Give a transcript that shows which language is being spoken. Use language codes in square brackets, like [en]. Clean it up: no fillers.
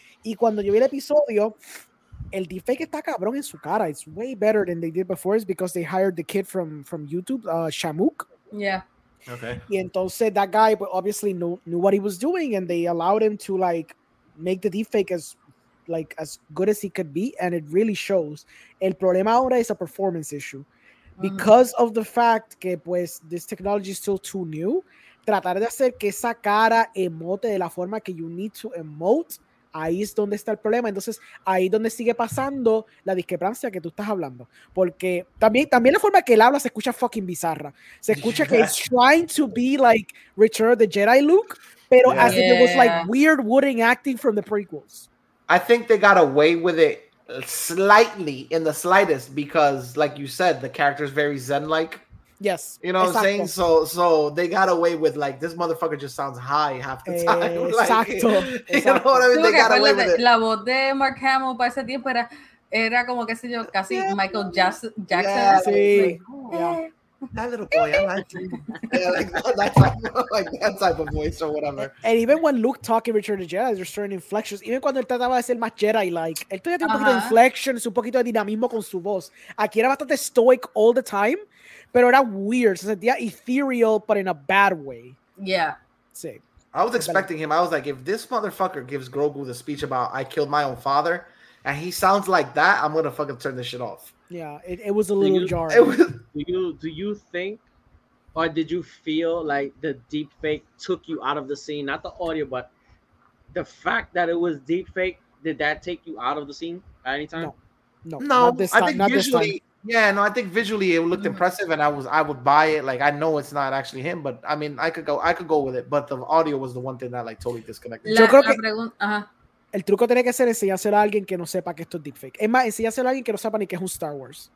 [es] Y cuando yo vi el episodio, el deepfake está cabrón en su cara. [en] It's way better than they did before. It's because they hired the kid from YouTube, Shamook. Yeah. Okay. [es] Y entonces [en] that guy obviously knew what he was doing and they allowed him to like make the deepfake as good as he could be and it really shows. [es] El problema ahora es [en] a performance issue. [es] Mm-hmm. [en] Because of the fact [es] que pues [en] this technology is still too new, [es] tratar de hacer que esa cara emote de la forma que [en] you need to emote, [es] ahí es donde está el problema. Entonces, ahí es donde sigue pasando la discrepancia que tú estás hablando. Porque también la forma que él habla se escucha fucking bizarra. Se escucha [en] yeah. que es trying to be like Return of the Jedi Luke, pero yeah. as if yeah. it was like weird wooden acting from the prequels. I think they got away with it slightly, in the slightest, because like you said, the character is very zen-like. Yes. You know [es] exacto. [en] What I'm saying? So they got away with like this motherfucker just sounds high half the time. [es] Exacto. [en] Like, [es] exacto. [en] You know what I mean? They got away with it. [es] La voz de Mark Hamill para ese tiempo era como que se yo casi [en] yeah. Michael Jackson. Yeah, Jackson. [es] Sí. [en] Like, oh, yeah. That little boy, I like him. Yeah, like, that type of voice or whatever. And even when Luke talking Return of the Jedi, there's certain inflections. [es] Even cuando él trataba de ser más Jedi-like, él todavía tiene un poquito de inflections, un poquito de dinamismo con su voz. Aquí era bastante [en] stoic all the time. [es] Pero era weird. Se sentía [en] ethereal, but in a bad way. Yeah. [es] Sí. [en] I was expecting him. I was like, if this motherfucker gives Grogu the speech about I killed my own father, and he sounds like that, I'm going to fucking turn this shit off. Yeah, it was a little jarring. Do you think, or did you feel like the deepfake took you out of the scene? Not the audio, but the fact that it was deepfake, did that take you out of the scene at any time? No. Not this time. Yeah, no, I think visually it looked impressive, and I would buy it. Like, I know it's not actually him, but I mean, I could go with it. But the audio was the one thing that like totally disconnected. [es] El truco tiene que ser enseñárselo a alguien que no sepa que esto es deepfake. Es más, enseñárselo a alguien que no sepa ni que es un Star Wars.